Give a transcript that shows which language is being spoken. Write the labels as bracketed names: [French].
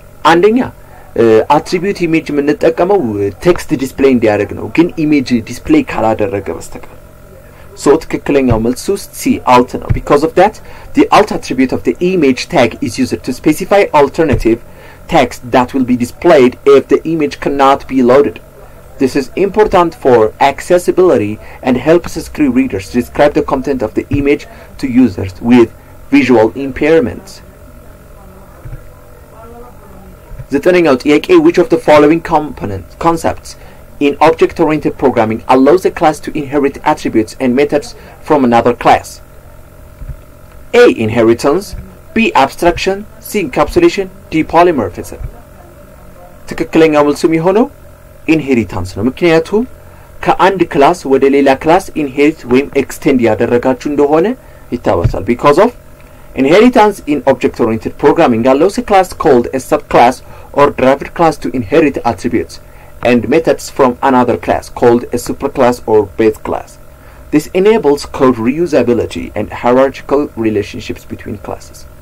[Amharic] አንደኛ, [English] attribute image [Amharic] የምንጠቀመው [English] text display [Amharic] እንዲያደርግ ነው, ግን [English] image display [Amharic] ካላደረገ በስተቀር. [English] So [Amharic] ትክክለኛው መልስ C. [English] Alt [Amharic] ነው. [English] Because of that, the alt attribute of the image tag is used to specify alternative text that will be displayed if the image cannot be loaded. This is important for accessibility and helps screen readers describe the content of the image to users with visual impairments. Zetaning out, which of the following concepts in object-oriented programming allows a class to inherit attributes and methods from another class? A. Inheritance. B. Abstraction. C. Encapsulation. D. Polymorphism. [Amharic] ትክክለኛው መልስ የሚሆነው inheritance ነው. ምክንያቱም ከአንድ class ወደ ሌላ class inherit ወይም extend ያደረጋችሁ እንደሆነ ይታወሳል. [English] Because of inheritance in object-oriented programming allows a class called a subclass or derived class to inherit attributes and methods from another class called a superclass or base class. This enables code reusability and hierarchical relationships between classes.